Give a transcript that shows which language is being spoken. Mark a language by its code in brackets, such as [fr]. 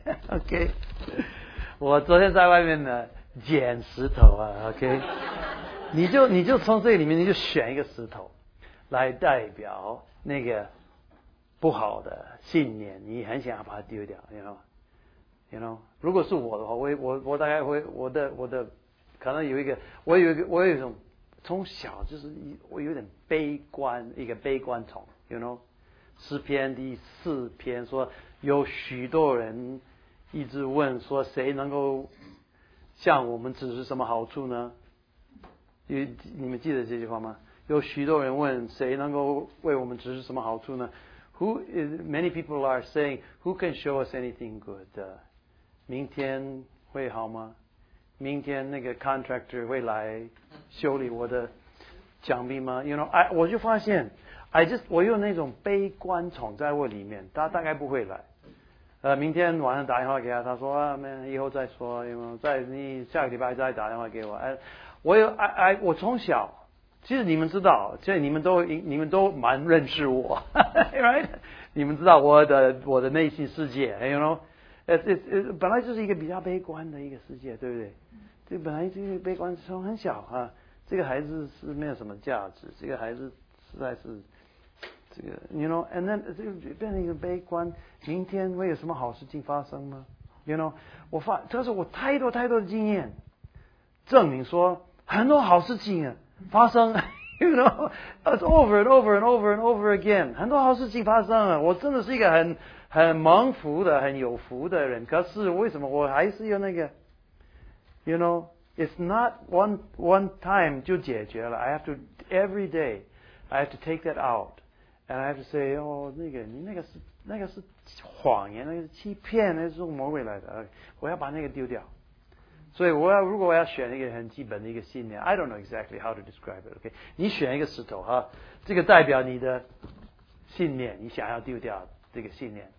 [zh] OK， 我昨天在外面呢捡石头啊 ，OK， 你就从这里面你就选一个石头来代表那个不好的信念，你很想要把它丢掉 ， You know，如果是我的话，我大概会我的可能有一个我有一种从小就是我有点悲观，一个悲观虫 ，You know， 诗篇第四篇说。有许多人一直问说谁能够向我们指示什么好处呢？你们记得这句话吗？有许多人问谁能够为我们指示什么好处呢？ [en] Many people are saying, who can show us anything good? [zh] 明天会好吗？明天那个 contractor 会来修理我的墙壁吗？ You know, 我就发现 我有那种悲观虫在我里面，他大概不会来。明天晚上打电话给他，他说啊，没，以后再说，有没有？再你下个礼拜再打电话给我。我从小，其实你们知道，现在你们都蛮认识我， right？你们知道我的内心世界 ， you know？本来就是一个比较悲观的一个世界，对不对？这本来这个悲观从很小啊，这个孩子是没有什么价值，这个孩子实在是。这个 ， you know，and then 这个变成一个悲观，明天会有什么好事情发生吗 ？you know， 这是我太多太多的经验，证明说很多好事情啊发生 ， you know，it's over and over and over and over again，很多好事情发生啊，我真的是一个很蒙福的、很有福的人。 [en] 可是为什么我还是有那个，you know，it's not one time 就解决了，I have to every day， I have to take that out。 [zh] And I have to say, oh, 那个是谎言，那个是欺骗，那个、是魔鬼来的。我要把那个丢掉。所以如果我要选一个很基本的一个信念 ， I don't know exactly how to describe it. OK， 你选一个石头哈，这个代表你的信念，你想要丢掉这个信念。